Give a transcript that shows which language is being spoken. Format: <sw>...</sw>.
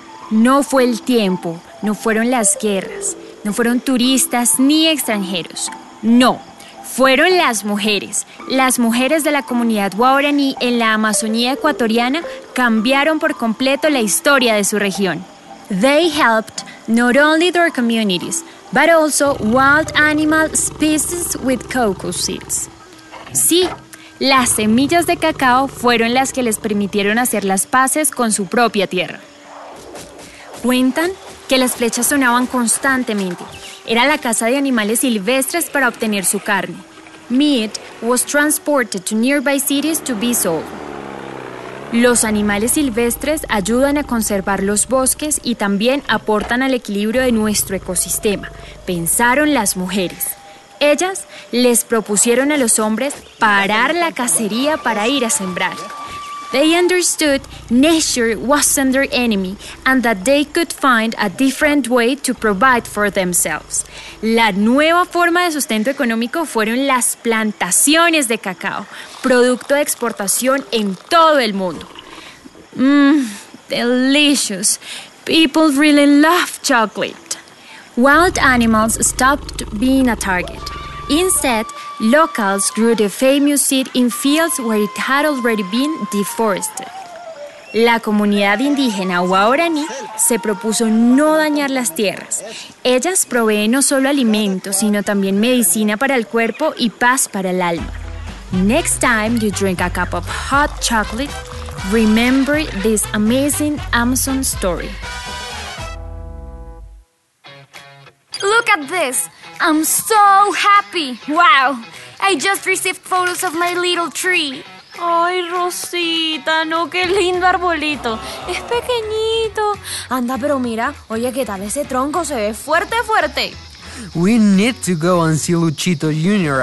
<es>No fue el tiempo, no fueron las guerras, no fueron turistas ni extranjeros. No, fueron las mujeres de la comunidad Guaraní en la Amazonía ecuatoriana cambiaron por completo la historia de su región.</es> <en>They helped not only their communities, but also wild animal species with cocoa seeds.</en> <es>Sí, las semillas de cacao fueron las que les permitieron hacer las paces con su propia tierra. Cuentan que las flechas sonaban constantemente. Era la caza de animales silvestres para obtener su carne.</es> <en>Meat was transported to nearby cities to be sold.</en> <es>Los animales silvestres ayudan a conservar los bosques y también aportan al equilibrio de nuestro ecosistema, pensaron las mujeres. Ellas les propusieron a los hombres parar la cacería para ir a sembrar.</es> <en>They understood nature wasn't their enemy and that they could find a different way to provide for themselves.</en> <es>La nueva forma de sustento económico fueron las plantaciones de cacao, producto de exportación en todo el mundo.</es> <en>Delicious. People really love chocolate. Wild animals stopped being a target. Instead, locals grew the famous seed in fields where it had already been deforested.</en> <es>La comunidad indígena Guaraní se propuso no dañar las tierras. Ellas proveen no solo alimentos, sino también medicina para el cuerpo y paz para el alma.</es> <en>Next time you drink a cup of hot chocolate, remember this amazing Amazon story. Look at this! I'm so happy! Wow! I just received photos of my little tree.</en> <es>Ay, Rosita, no, qué lindo arbolito. Es pequeñito. Anda, pero mira, oye, ¿qué tal ese tronco? Se ve fuerte, fuerte.</es> <en>We need to go and see Luchito Jr.</en>